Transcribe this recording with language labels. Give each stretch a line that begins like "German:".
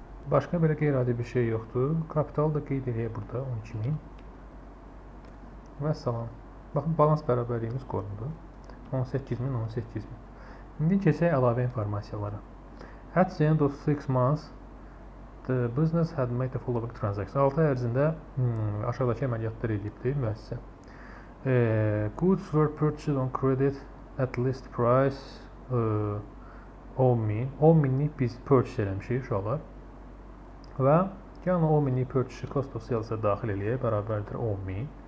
Azerbaijani: Başqa belə qeyri-adi bir şey yoxdur. Kapital da qeyd edək burada 12.000. Və salam. Baxın, balans bərabərliyimiz qorundu. 18.000, 18.000. İndi keçək əlavə informasiyalara.
English: At the end of 6 months, the business had made the following transaction.
Azerbaijani: 6 ay ərzində aşağıdakı əməliyyatlar edibdir müəssisə.
English: Goods were purchased on credit at list price 10.000.
Azerbaijani: 10.000-i biz purchase eləmişik uşaqlar. Və yəni 10.000-lik purchase cost of sales-ə daxil eləyək, bərabərdir 10.000.